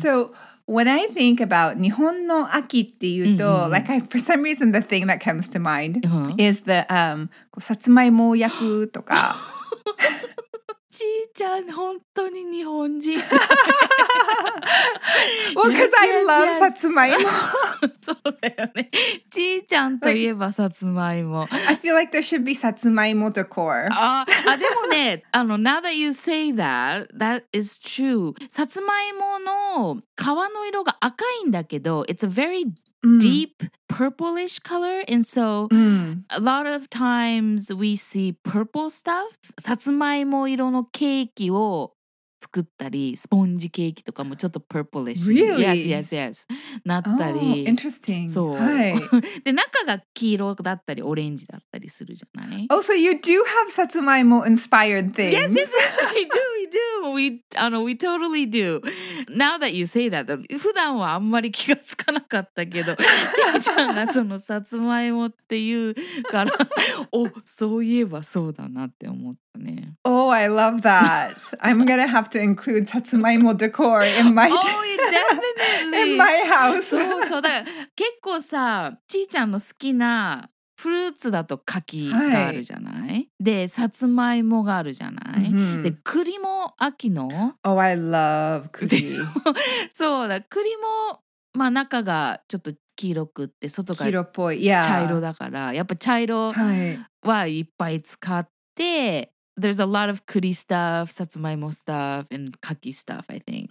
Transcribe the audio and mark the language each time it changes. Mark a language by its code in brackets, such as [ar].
[en] So when I think about [ja] 日本の秋っていうと、 [en] like I, for some reason the thing that comes to mind is the [ja] さつまいも焼くとか。ちいちゃん、本当に日本人。 [en] Well, because I love さつまいも。 [ja] そうだよね。ちいちゃんといえばさつまいも。 [en] I feel like there should be さつまいも decor. [ja] あ、でもね、あの、 [en] now that you say that, that is true. [ja] さつまいもの皮の色が赤いんだけど、 [en] it's a very deep purplish color. And so a lot of times we see purple stuff. [ja] さつまいも色のケーキを作ったり、スポンジケーキとかもちょっと purplish. [en] Really? Yes, yes, yes. [ja] なったり。 [en] Oh, interesting. [ja] そう。はい。で、中が黄色だったり、オレンジだったりするじゃない？ [en] Oh, so you do have さつまいも inspired things. Yes, yes, yes. We do, we do. We totally do. Now that you say that, [ja] 普段はあんまり気がつかなかったけど、ちいちゃんがそのさつまいもっていうから、お、そういえばそうだなって思って。 [en] Oh, I love that. I'm going to have to include satsumaimo decor in my definitely. in my house. [ja] そうそう、だから結構さ、ちいちゃんの好きなフルーツだと柿があるじゃない、はい、で、さつまいもがあるじゃない、 mm-hmm. で、栗も秋の [en] Oh, I love 栗。 [ja] そうだ、栗も、まあ、中がちょっと黄色くって外が黄色っぽい、yeah. 茶色だから、やっぱ茶色はいっぱい使って、はい [en] で、there's a lot of kuri stuff, satsumaimo stuff, and kaki stuff, I think.